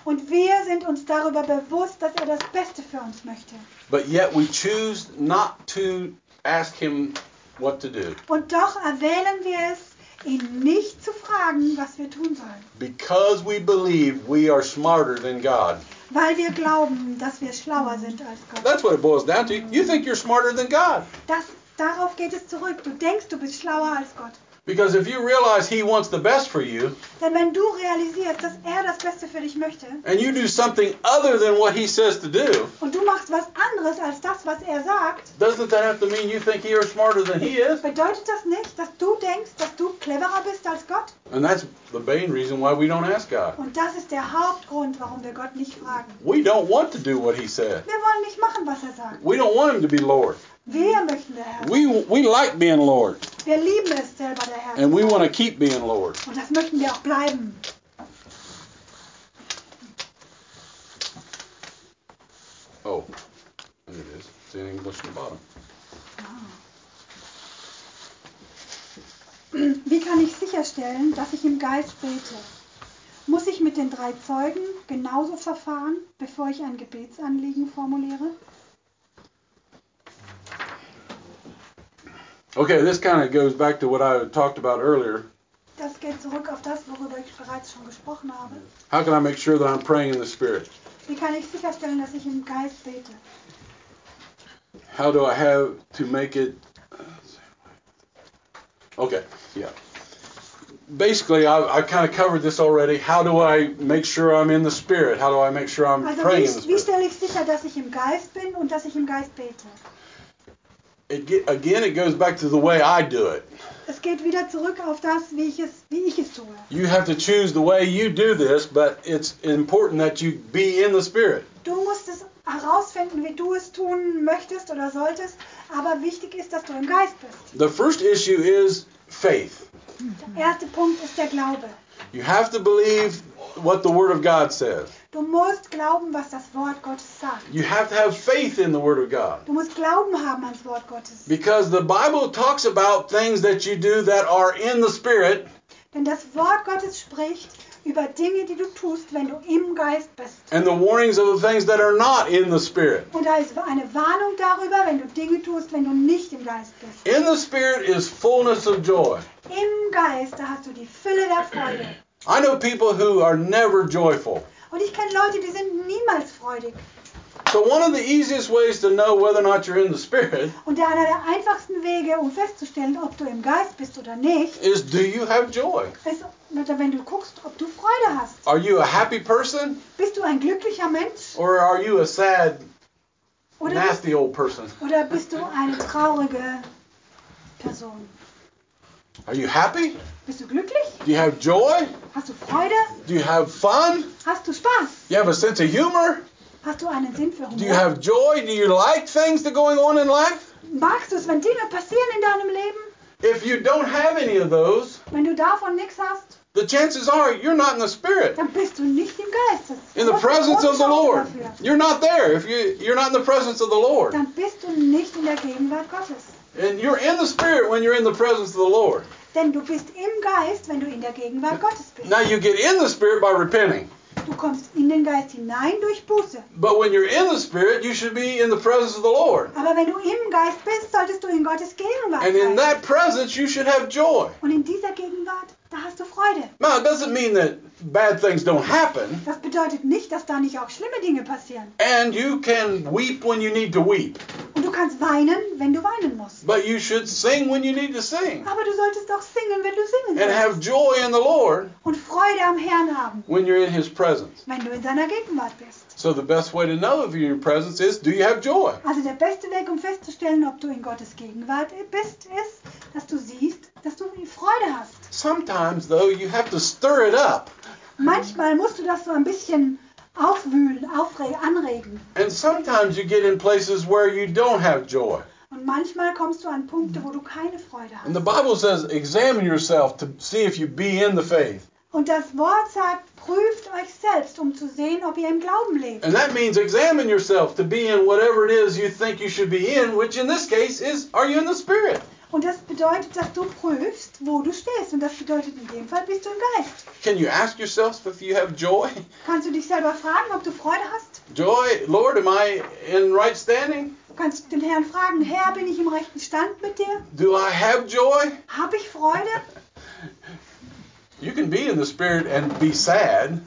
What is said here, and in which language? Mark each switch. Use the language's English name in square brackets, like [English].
[German] Und wir sind uns darüber bewusst, dass er das Beste für uns möchte. [English] But yet we choose not to ask him what to do. [German] Und doch erwählen wir es, ihn nicht zu fragen, was wir tun sollen. [English] Because we believe we are smarter than God. [German] Weil wir glauben, dass wir schlauer sind als Gott. [English] That's what it boils down to. You think you're smarter than God. [German] Darauf geht es zurück. Du denkst, du bist schlauer als Gott. [English] Because if you realize he wants the best for you, [German] denn wenn du realisierst, dass er das Beste für dich möchte, [English] and you do something other than what he says to do, [German] und du machst was anderes als das, was er sagt, [English] doesn't that have to mean you think you're smarter than he is? [German] Bedeutet das nicht, dass du denkst, dass du cleverer bist als Gott? [English] And that's the main reason why we don't ask God. [German] Und das ist der Hauptgrund, warum wir Gott nicht fragen. [English] We don't want to do what he said. [German] Wir wollen nicht machen, was er sagt. [English] We don't want him to be Lord. [German] Wir möchten der Herr. [English] We like being Lord. [German] Wir lieben es selber, der Herr. [English] And we want to keep being Lord. [German] Und das möchten wir auch bleiben. [English] It's in English at the bottom. [German] Wie kann ich sicherstellen, dass ich im Geist bete? Muss ich mit den drei Zeugen genauso verfahren, bevor ich ein Gebetsanliegen formuliere? [English] Okay, this kind of goes back to what I talked about earlier. [German] Das geht zurück auf das, worüber ich bereits schon gesprochen habe. [English] How can I make sure that I'm praying in the Spirit? [German] Wie kann ich sicherstellen, dass ich im Geist bete? [English] How do I have to make it... Okay, yeah. Basically, I kind of covered this already. How do I make sure I'm in the Spirit? How do I make sure I'm praying in the Spirit? [German] Wie stelle ich sicher, dass ich im Geist bin und dass ich im Geist bete? [English] It goes back to the way I do it. [German] Es geht wieder zurück auf das, wie ich es tue. [English] You have to choose the way you do this, but it's important that you be in the Spirit. [German] Du musst es herausfinden, wie du es tun möchtest oder solltest, aber wichtig ist, dass du im Geist bist. [English] The first issue is faith. [German] Der erste Punkt ist der Glaube. [English] You have to believe what the Word of God says. [German] Du musst glauben, was das Wort Gottes sagt. [English] You have to have faith in the Word of God. [German] Du musst glauben haben ans Wort Gottes. [English] Because the Bible talks about things that you do that are in the Spirit. [German] Denn das Wort Gottes spricht über Dinge, die du tust, wenn du im Geist bist. [English] And the warnings of the things that are not in the Spirit. [German] Und da ist eine Warnung darüber, wenn du Dinge tust, wenn du nicht im Geist bist. [English] In the Spirit is fullness of joy. [German] Im Geist, da hast du die Fülle der Freude. [English] I know people who are never joyful. [German] Und ich kenne Leute, die sind niemals freudig. [English] So one of the easiest ways to know whether or not you're in the Spirit. [German] Und einer der einfachsten Wege, um festzustellen, ob du im Geist bist oder nicht, [English] is do you have joy? [German] Ist, wenn du guckst, ob du Freude hast. [English] Are you a happy person? [German] Bist du ein glücklicher Mensch? [English] Or are you a sad, [German] oder [English] nasty old person? [German] Oder bist du eine traurige Person? [English] Are you happy? [German] Bist du glücklich? [English] Do you have joy? [German] Hast du Freude? [English] Do you have fun? [German] Hast du Spaß? [English] You have a sense of humor? [German] Hast du einen Sinn für Humor? [English] Do you have joy? Do you like things that are going on in life? [German] Magst du es, wenn Dinge passieren in deinem Leben? [English] If you don't have any of those, [German] wenn du davon nichts hast, [English] the chances are you're not in the Spirit. [German] Dann bist du nicht im Geist. [English] In the presence of the Lord. You're not there if you're not in the presence of the Lord. [German] Dann bist du nicht in der Gegenwart Gottes. [English] And you're in the Spirit when you're in the presence of the Lord. [German] Denn du bist im Geist, wenn du in der Gegenwart Gottes bist. [English] Now you get in the Spirit by repenting. [German] Du kommst in den Geist hinein durch Buße. [English] But when you're in the Spirit, you should be in the presence of the Lord. [German] Aber wenn du im Geist bist, solltest du in Gottes Gegenwart sein. [English] And in that presence, you should have joy. [German] Und in dieser Gegenwart, da hast du Freude. [English] Now, it doesn't mean that bad things don't happen. [German] Das bedeutet nicht, dass da nicht auch schlimme Dinge passieren. [English] And you can weep when you need to weep. [German] Und du kannst weinen, wenn du weinen musst. [English] But you should sing when you need to sing. [German] Aber du solltest auch singen, wenn du singen [English] and [German] sollst. [English] Have joy in the Lord. [German] Und Freude am Herrn haben. [English] When you're in his presence. [German] Wenn du in seiner Gegenwart bist. [English] So the best way to know if you're in presence is, do you have joy? [German] Also der beste Weg, um festzustellen, ob du in Gottes Gegenwart bist, ist, dass du siehst, dass du Freude hast. [English] Sometimes though, you have to stir it up. [German] Manchmal musst du das so ein bisschen aufwühlen, anregen. [English] And sometimes you get in places where you don't have joy. [German] Und manchmal kommst du an Punkte, wo du keine Freude hast. [English] And the Bible says, examine yourself to see if you be in the faith. [German] Und das Wort sagt, prüft euch selbst, um zu sehen, ob ihr im Glauben lebt. [English] And that means examine yourself to be in whatever it is you think you should be in, which in this case is, are you in the Spirit? [German] Und das bedeutet, dass du prüfst, wo du stehst. Und das bedeutet, in dem Fall bist du im Geist. [English] Can you ask yourself if you have joy? [German] Kannst du dich selber fragen, ob du Freude hast? [English] Joy, Lord, am I in right standing? [German] Kannst du den Herrn fragen, Herr, bin ich im rechten Stand mit dir? [English] Do I have joy? [German] Hab ich Freude? [English] You can be in the Spirit and be sad.